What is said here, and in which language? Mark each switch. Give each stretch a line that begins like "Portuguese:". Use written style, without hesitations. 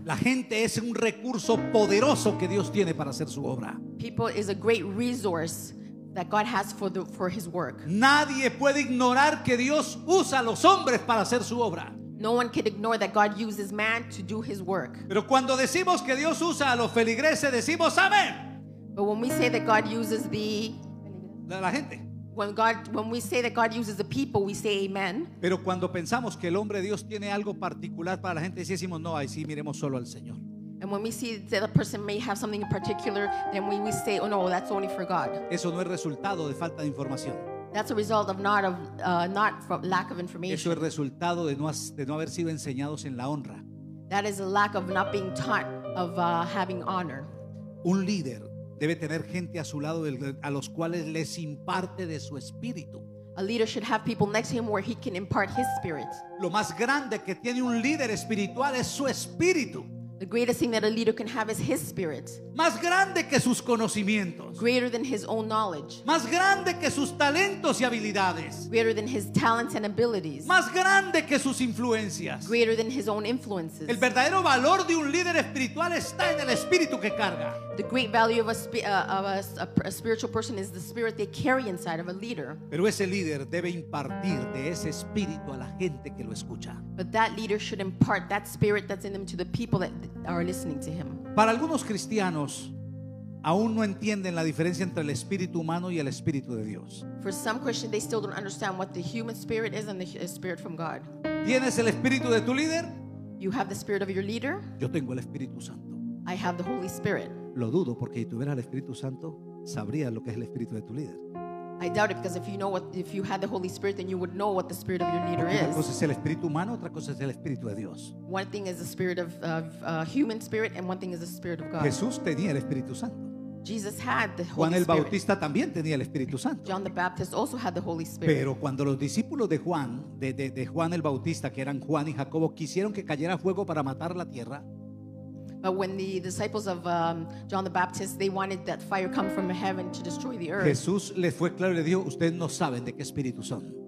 Spanish: La gente es un recurso poderoso que Dios tiene para hacer su obra.
English: People is a great resource that God has for his work.
Spanish: Nadie puede ignorar que Dios usa a los hombres para hacer su obra.
English: No one can ignore that God uses man to do his work.
Spanish: Pero cuando decimos que Dios usa a los feligreses, decimos amén.
English: But when we say that God uses the
Spanish: la gente.
English: When we say that God uses the people, we say amen.
Spanish: Pero cuando pensamos que el hombre Dios tiene algo particular para la gente, decimos no, ahí sí miremos solo al Señor.
English: And when we see that a person may have something in particular, then we say, oh no, that's only for God.
Spanish: Eso no es resultado de falta de información.
English: That's a result of not from lack of information.
Spanish: Eso es resultado de no haber sido enseñados en la honra.
English: That is a lack of not being taught of having honor.
Spanish: Un líder debe tener gente a su lado a los cuales les imparte de su espíritu.
English: A leader should have people next to him where he can impart his spirit.
Spanish: Lo más grande que tiene un líder espiritual es su espíritu.
English: The greatest thing that a leader can have is his spirit.
Spanish: Más grande que sus conocimientos.
English: Greater than his own knowledge.
Spanish: Más grande que sus talentos y habilidades.
English: Greater than his talents and abilities.
Spanish: Más grande que sus influencias.
English: Greater than his own influences.
Spanish: El verdadero valor de un líder espiritual está en el espíritu que carga.
English: The great value of a spiritual person is the spirit they carry inside of a leader.
Spanish: Pero ese líder debe impartir de ese espíritu a la gente que lo escucha.
English: But that leader should impart that spirit that's in them to the people that are listening to him.
Spanish: Para algunos cristianos aún no entienden la diferencia entre el espíritu humano y el espíritu de Dios.
English: For some Christians, they still don't understand what the human spirit is and the spirit from God.
Spanish: ¿Tienes el espíritu de tu líder?
English: You have the spirit of your leader?
Spanish: Yo tengo el Espíritu Santo.
English: I have the Holy Spirit.
Spanish: Lo dudo, porque si tuvieras el Espíritu Santo, sabrías lo que es el espíritu de tu líder.
English: I doubt it, because if you had the Holy Spirit, then you would know what the spirit of your leader is.
Spanish: Una cosa es el espíritu humano, otra cosa es el espíritu de Dios.
English: One thing is the spirit of human spirit, and one thing is the spirit of God.
Spanish: Jesús tenía el Espíritu Santo.
English: Jesus had the Holy Spirit.
Spanish: Juan el Bautista también tenía el Espíritu Santo.
English: John the Baptist also had the Holy Spirit.
Spanish: Pero cuando los discípulos de Juan, de Juan el Bautista, que eran Juan y Jacobo, quisieron que cayera fuego para matar la tierra.
English: But when the disciples of John the Baptist, they wanted that fire come from heaven to destroy the earth.
Spanish: Jesús les fue claro y les dijo, ustedes no saben de qué espíritu son.